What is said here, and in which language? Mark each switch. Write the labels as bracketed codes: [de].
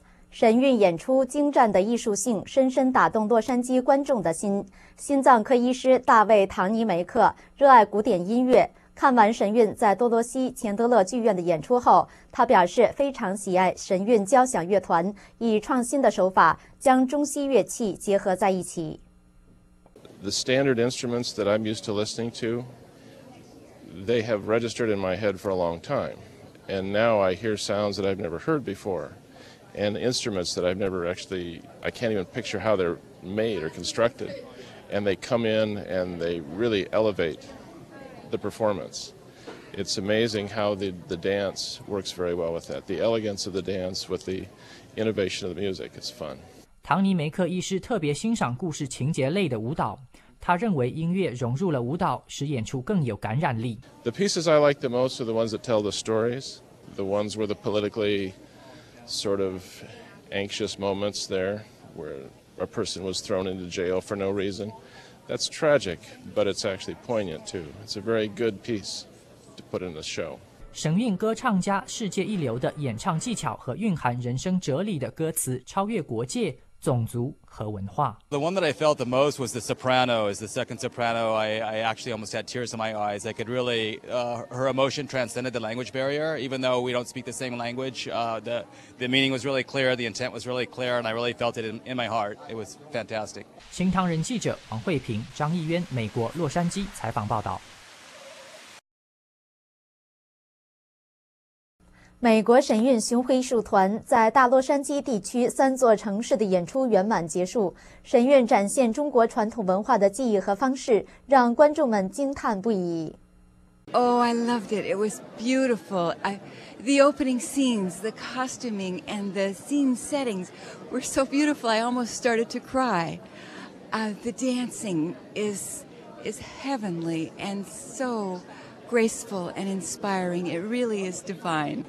[zh] 神韵演出精湛的艺术性深深打动洛杉矶观众的心。心脏科医师大卫·唐尼梅克热爱古典音乐。看完神韵在多罗西钱德勒剧院的演出后，他表示非常喜爱神韵交响乐团以创新的手法将中西乐器结合在一起。 [en] The standard instruments that I'm used to listening to, they have registered in my head for a long time, and now I hear sounds that I've never heard before, and instruments that I've never actually, I can't even picture how they're made or constructed, and they come in and they really elevate. The performance. It's amazing how the dance works very well with that. The elegance of the dance with the innovation of the music. It's fun. [zh] 唐尼梅克医师特别欣赏故事情节类的舞蹈，他认为音乐融入了舞蹈，使演出更有感染力。 [en] The pieces I like the most are the ones that tell the stories, the ones where the politically sort of anxious moments there, where a person was thrown into jail for no reason. That's tragic, but it's actually poignant too. It's a very good piece to put in the show. [zh] 神韵歌唱家世界一流的演唱技巧和蕴含人生哲理的歌词，超越国界、种族和文化。 [en] The one that I felt the most was the soprano, is the second soprano. I actually almost had tears in my eyes. I could really, her emotion transcended the language barrier. Even though we don't speak the same language, the meaning was really clear, the intent was really clear, and I really felt it in my heart. It was fantastic. [zh] 新唐人记者王慧平、张艺渊，美国洛杉矶采访报道。美国神韵巡回艺术团在大洛杉矶地区三座城市的演出圆满结束。神韵展现中国传统文化的技艺和方式，让观众们惊叹不已。 [en] Oh, I loved it. It was beautiful. The opening scenes, the costuming, and the scene settings were so beautiful. I almost started to cry. The dancing is heavenly and so. Graceful and inspiring. It really is divine.